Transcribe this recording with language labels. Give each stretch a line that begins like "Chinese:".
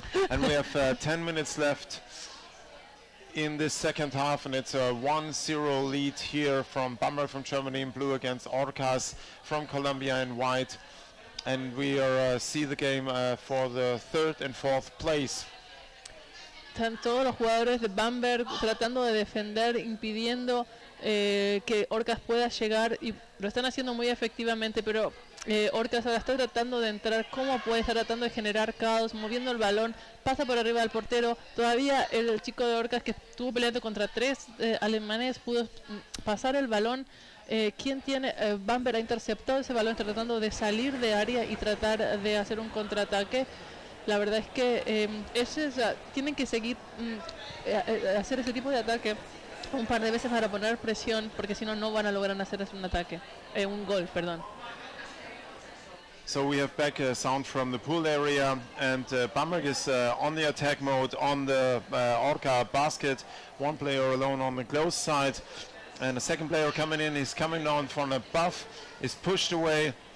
English: And we have 10 minutes left in this second half, and it's a 1-0 lead here from Bamberg from Germany in blue against Orcas from Colombia in white. And we are see the game for the third and fourth place.
Spanish: Están todos los jugadores de Bamberg tratando de defender, impidiendo que Orcas pueda llegar, y lo están haciendo muy efectivamente, pero Orcas ahora está tratando de entrar, como puede, está tratando de generar caos, moviendo el balón, pasa por arriba del portero. Todavía el chico de Orcas, que estuvo peleando contra tres alemanes, pudo pasar el balón. ¿Quién tiene? Bamberg ha interceptado ese balón, tratando de salir de área y tratar de hacer un contraataque. La verdad es que tienen que seguir hacer ese tipo de ataque un par de veces para poner presión, porque si no, no van a lograr hacer un ataque, un gol, perdón.
English: So we have back a sound from the pool area, and Bamberg is on the attack mode on the Orca basket, one player alone on the close side. And the second player coming in is coming down from above, is pushed away.